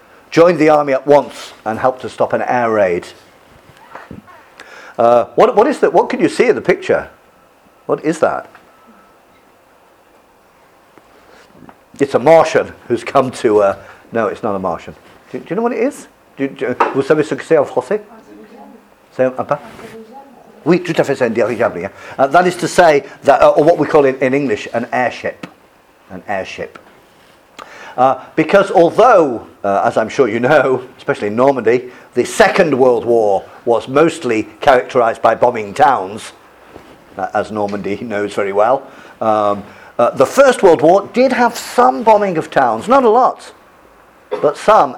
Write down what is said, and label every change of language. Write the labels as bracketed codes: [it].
[en] Join the army at once and help to stop an air raid. What is that? What can you see in the picture? What is that? It's a Martian who's come to... No, it's not a Martian. Do you know what it is? [fr] Vous savez ce que c'est en français? C'est un pas? Oui, tout à fait, c'est un dirigeable. [en] That is to say, or what we call in English, an airship. An airship. Because although, as I'm sure you know, especially in Normandy, the Second World War was mostly characterised by bombing towns, as Normandy knows very well, the First World War did have some bombing of towns, not a lot, but some.